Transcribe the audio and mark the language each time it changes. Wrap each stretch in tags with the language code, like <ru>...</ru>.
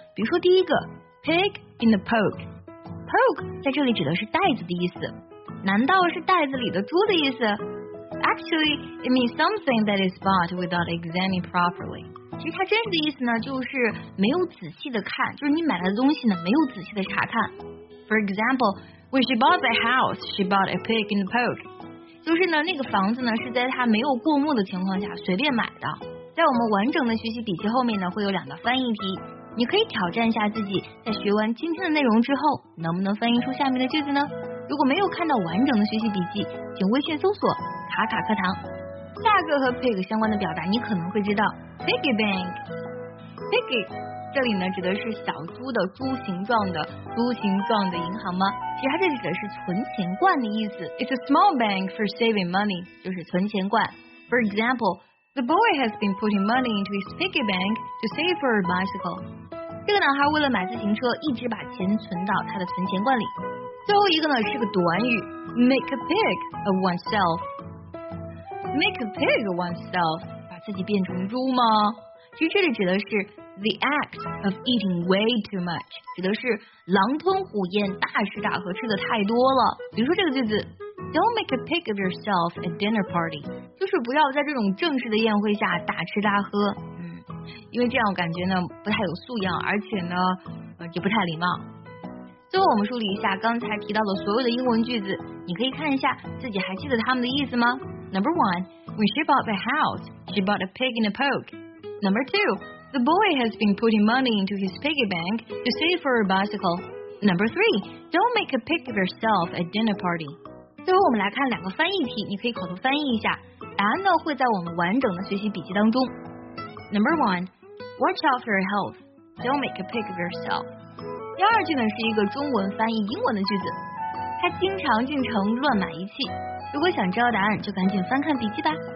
<zh>比如说第一个 ，pig in the poke，poke 在这里指的是袋子的意思，难道是袋子里的猪的意思 ？</zh> <en>Actually, it means something that is bought without examining properly。</en> <zh>其实它真实的意思呢，就是没有仔细的看，就是你买的东西呢，没有仔细的查看。</zh> <en>For example, when she bought the house, she bought a pig in the poke。</en> <zh>就是呢，那个房子呢，是在她没有过目的情况下随便买的。在我们完整的学习笔记后面呢，会有两道翻译题，你可以挑战一下自己，在学完今天的内容之后，能不能翻译出下面的句子呢？如果没有看到完整的学习笔记，请微信搜索“卡卡课堂”。下个和 pig 相关的表达，你可能会知道 piggy bank。 piggy 这里呢指的是小猪的猪形状的银行吗？其实它这里指的是存钱罐的意思。</zh> <en>It's a small bank for saving money，</en> <zh>就是存钱罐。</zh> <en>For example, the boy has been putting money into his piggy bank to save for a bicycle。</en> <zh>这个男孩为了买自行车，一直把钱存到他的存钱罐里。最后一个呢是个短语 ，make a pig of oneself。 Make a pig oneself， 把自己变成猪吗？其实这里指的是</zh> <en>the act of eating way too much，</en> <zh>指的是狼吞虎咽、大吃大喝吃的太多了。比如说这个句子 ，</zh> <en>Don't make a pig of yourself at dinner party，</en> <zh>就是不要在这种正式的宴会下大吃大喝，因为这样我感觉呢不太有素养，而且呢也不太礼貌。最后我们梳理一下刚才提到的所有的英文句子，你可以看一下自己还记得他们的意思吗？</zh> <en>Number one, when she bought the house, she bought a pig in a poke. Number two, the boy has been putting money into his piggy bank to save for a bicycle. Number three, don't make a pig of yourself at dinner party.</en> <zh>最后我们来看两个翻译题，你可以口头翻译一下，答案呢会在我们完整的学习笔记当中。</zh> <en>Number one, watch out for your health. Don't make a pig of yourself.</en> <zh>第二句呢是一个中文翻译英文的句子，他经常进城乱买仪器。如果想知道答案，就赶紧翻看笔记吧。</zh>